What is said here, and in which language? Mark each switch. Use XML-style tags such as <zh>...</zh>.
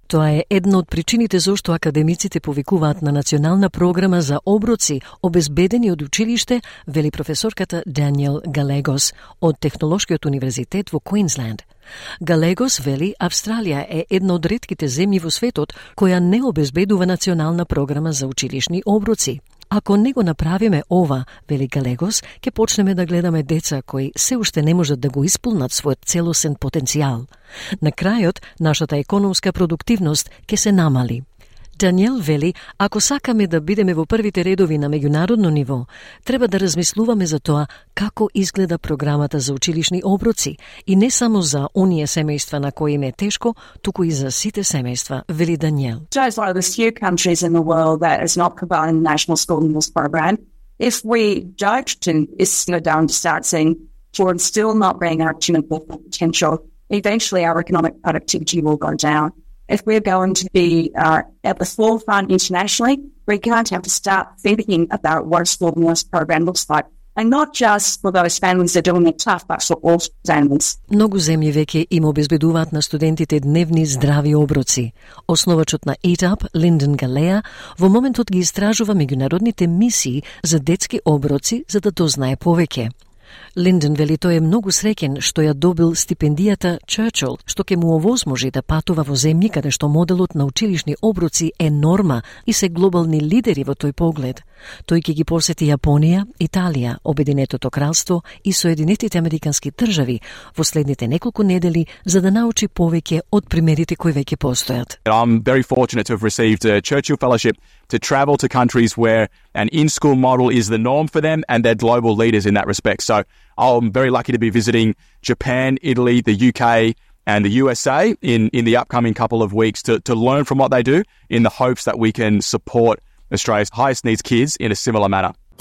<mk>Тоа е една од причините зошто академиците повикуваат на национална програма за оброци обезбедени од училиште, вели професорката Даниел Галегос од Технолошкиот универзитет во Квинсленд. Галегос вели Австралија е една од ретките земји во светот која не обезбедува национална програма за училишни оброци. Ако не го направиме ова, вели Галегос, ќе почнеме да гледаме деца кои се уште не можат да го исполнат својот целосен потенцијал. На крајот, нашата економска продуктивност ќе се намали. Даниел вели, ако сакаме да бидеме во првите редови на меѓународно ниво, треба да размислуваме за тоа како изгледа програмата за училишни оброци и не само за оние семејства на кои им е тешко, туку и за сите семејства, вели Даниел.</mk> <en>Just like the few countries in the world that is not providing a national school meals program, if we judged and it's no down to start saying children still not being reaching their full potential, eventually our economic productivity will go down. If we're going to be at the forefront internationally, we're going to have to start thinking about what a school meals program looks like. And not just for those families that are doing it tough, but for all families.</en> <mk>Многу земји веќе им обезбедуваат на студентите дневни здрави оброци. Основачот на Eat Up, Линдон Галеа, во моментот ги истражува меѓународните мисии за детски оброци за да дознае повеќе. Линдон вели тој е многу среќен што ја добил стипендијата Churchill, што ќе му овозможи да патува во земји каде што моделот на училишни оброци е норма и се глобални лидери во тој поглед. Тој ќе ги посети Јапонија, Италија, Обединетото Кралство и Соединетите Американски држави во следните неколку недели за да научи повеќе од примерите кои веќе постојат.</mk> <en>I'm very fortunate to have received a Churchill fellowship to travel to countries where an in-school model is the norm for them and they're global leaders in that respect. So I'm very lucky to be visiting Japan, Italy, the UK and the USA in the upcoming couple of weeks to learn from what they do in the hopes that we can support Australia's highest needs kids in a similar manner.</en>